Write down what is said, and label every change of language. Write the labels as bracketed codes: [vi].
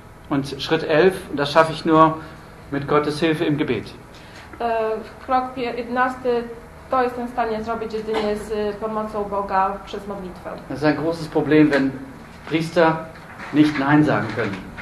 [de] Und Schritt 11, das schaffe ich nur mit Gottes Hilfe im Gebet. [pl] Krok 11, to jestem w stanie zrobić jedynie z pomocą Boga przez modlitwę. [de] Das ist ein großes Problem, wenn Priester nicht Nein sagen können.